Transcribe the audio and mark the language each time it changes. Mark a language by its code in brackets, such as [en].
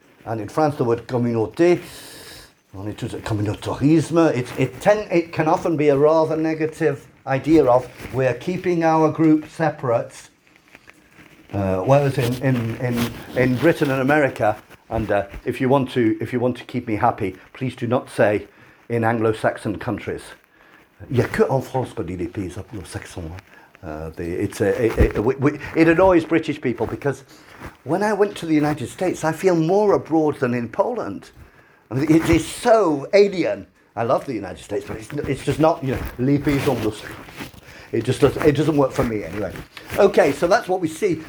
[en] And in France, the word communauté, communautarisme, it can often be a rather negative idea of we're keeping our group separate. Whereas in Britain and America, and if you want to keep me happy, please do not say in Anglo-Saxon countries. [fr] Y'a que en France qu'on dit les pays anglo-saxons. [en] It annoys British people because when I went to the United States, I feel more abroad than in Poland. I mean, it is so alien. I love the United States, but it's just not, you know, [fr] les pays anglo-saxons. [en] It doesn't work for me anyway. Okay, so that's what we see.